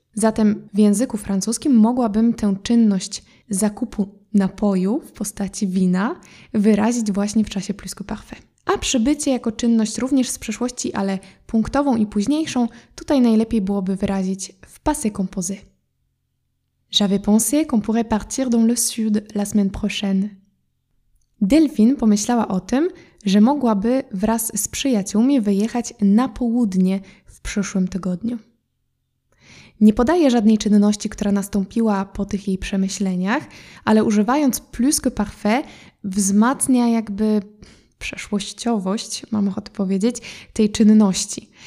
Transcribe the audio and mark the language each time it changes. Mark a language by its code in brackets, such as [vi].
[pl] Zatem w języku francuskim mogłabym tę czynność zakupu napoju w postaci wina wyrazić właśnie w czasie plus que parfait. A przybycie jako czynność również z przeszłości, ale punktową i późniejszą, tutaj najlepiej byłoby wyrazić w passé composé. [fr] J'avais pensé qu'on pourrait partir dans le sud la semaine prochaine. [pl] Delphine pomyślała o tym, że mogłaby wraz z przyjaciółmi wyjechać na południe w przyszłym tygodniu. Nie podaje żadnej czynności, która nastąpiła po tych jej przemyśleniach, ale używając plus que parfait wzmacnia jakby przeszłościowość, mam ochotę powiedzieć, tej czynności.